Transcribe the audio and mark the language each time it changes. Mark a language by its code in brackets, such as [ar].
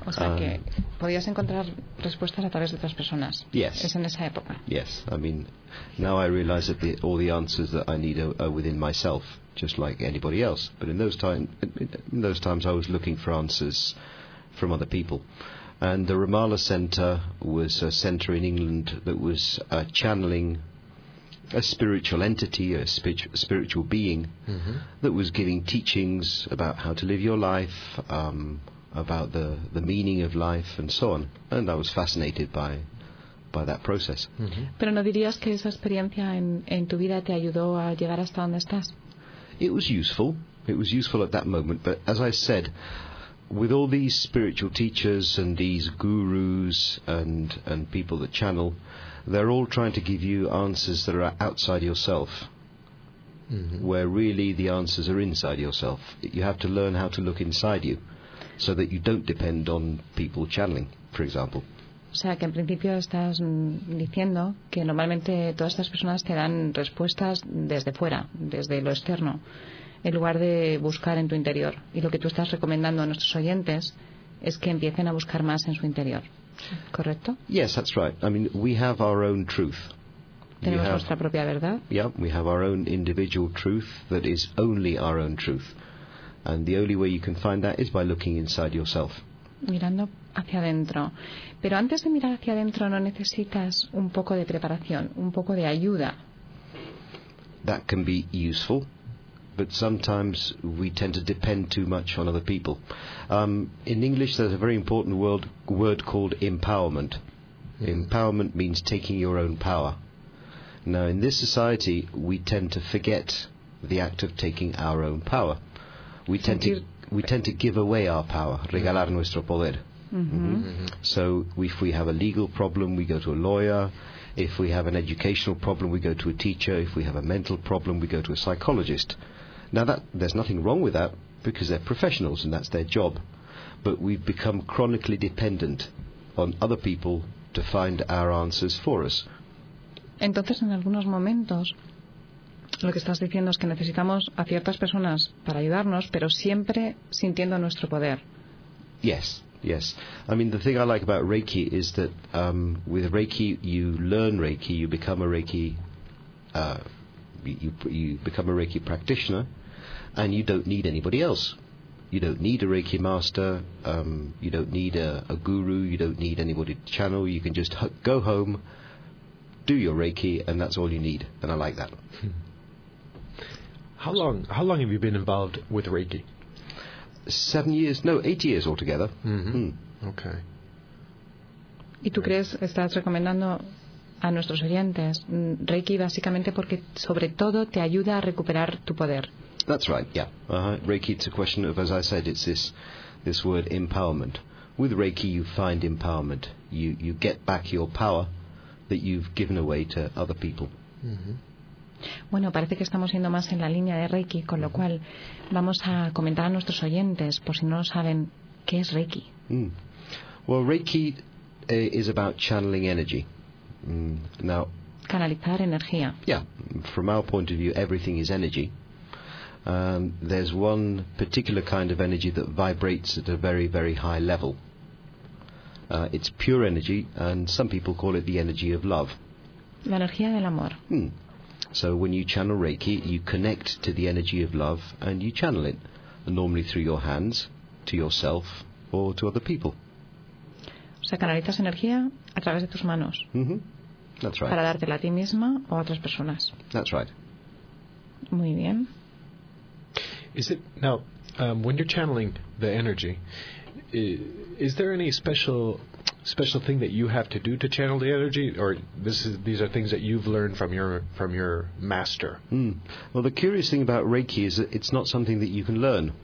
[es] O sea que podías encontrar respuestas a través de otras personas. [en] Yes. [es] Es en esa época. [en] Yes, I mean, now I realize that all the answers that I need are within myself, just like anybody else. But in those times, I was looking for answers from other people. And the Ramala Center was a center in England that was channeling a spiritual entity, a spiritual being, mm-hmm. that was giving teachings about how to live your life, about the meaning of life, and so on. And I was fascinated by that process. [es] Pero no dirías que esa experiencia en tu vida te ayudó a llegar hasta donde estás? [en] It was useful. It was useful at that moment. But as I said, with all these spiritual teachers and these gurus and people that channel, they're all trying to give you answers that are outside yourself, mm-hmm. where really the answers are inside yourself. You have to learn how to look inside you so that you don't depend on people channeling, for example. [es] O sea, que en principio estás diciendo que normalmente todas estas personas te dan respuestas desde fuera, desde lo externo, en lugar de buscar en tu interior. Y lo que tú estás recomendando a nuestros oyentes es que empiecen a buscar más en su interior. ¿Correcto? [en] Yes, that's right. I mean, we have our own truth. [es] Tenemos nuestra propia verdad. [en] Yeah, we have our own individual truth that is only our own truth. And the only way you can find that is by looking inside yourself. [es] Mirando hacia adentro. Pero antes de mirar hacia adentro, ¿no necesitas un poco de preparación, un poco de ayuda? [en] That can be useful. But sometimes we tend to depend too much on other people. In English, there's a very important word called empowerment. Mm-hmm. Empowerment means taking your own power. Now, in this society, we tend to forget the act of taking our own power. We tend to give away our power, [es] regalar nuestro poder. [en] Mm-hmm. Mm-hmm. So if we have a legal problem, we go to a lawyer. If we have an educational problem, we go to a teacher. If we have a mental problem, we go to a psychologist. Now, there's nothing wrong with that, because they're professionals and that's their job. But we've become chronically dependent on other people to find our answers for us. [es] Entonces, en algunos momentos, lo que estás diciendo es que necesitamos a ciertas personas para ayudarnos, pero siempre sintiendo nuestro poder. [en] Yes, yes. I mean, the thing I like about Reiki is that with Reiki, you learn Reiki, you become a Reiki you become a Reiki practitioner, and you don't need anybody else. You don't need a Reiki master, you don't need a guru, you don't need anybody to channel. You can just go home, do your Reiki, and that's all you need. And I like that. How long have you been involved with Reiki? 7 years, no, 8 years altogether. Okay. [es] ¿Y tú crees, estás recomendando a nuestros oyentes Reiki básicamente porque sobre todo te ayuda a recuperar tu poder? [en] That's right, yeah. Reiki, it's a question of, as I said, it's this word empowerment. With Reiki you find empowerment. You get back your power that you've given away to other people. Mm-hmm. [es] Bueno, parece que estamos yendo más en la línea de Reiki, con lo cual vamos a comentar a nuestros oyentes, por si no saben, ¿qué es Reiki? [en] Well, Reiki is about channeling energy. Now, [es] canalizar energía. [en] Yeah, from our point of view, everything is energy. There's one particular kind of energy that vibrates at a very, very high level. It's pure energy, and some people call it the energy of love. [es] La energía del amor. [en] So when you channel Reiki, you connect to the energy of love, and you channel it, normally through your hands, to yourself, or to other people. [es] O sea, canalizas energía a través de tus manos. [en] Mm-hmm. That's right. [es] Para dártela a ti misma o a otras personas. [en] That's right. [es] Muy bien. [en] Is it now when you're channeling the energy, is there any special thing that you have to do to channel the energy, or these are things that you've learned from your master? Well, the curious thing about Reiki is that it's not something that you can learn,